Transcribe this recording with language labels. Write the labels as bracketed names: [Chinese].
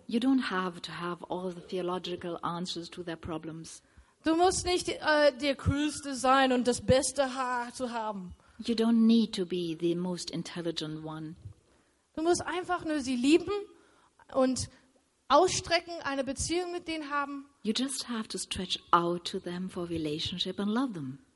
[English] You don't have to have all the theological answers to their problems. [German] Du musst nicht der Klügste sein und das beste Haar zu haben. [English] You don't need to be the most intelligent one. [German] Du musst einfach nur sie lieben und ausstrecken, eine Beziehung mit denen haben. [English] You just have to stretch out to them for relationship and love them.